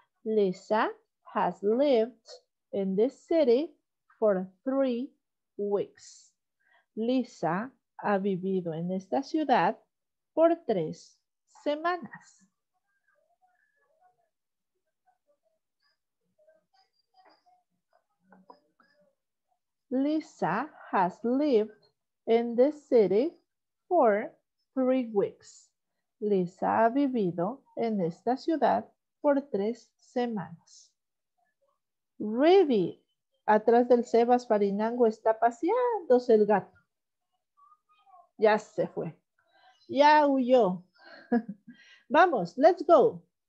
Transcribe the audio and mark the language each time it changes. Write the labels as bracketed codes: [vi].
[en] Lisa has lived in this city for 3 weeks. [es] Lisa ha vivido en esta ciudad por 3 semanas. [en] Lisa has lived in this city for 3 weeks. [es] Lisa ha vivido en esta ciudad por 3 semanas. Ready. Atrás del Sebas Farinango está paseándose el gato. Ya se fue. Ya huyó. Vamos, let's go.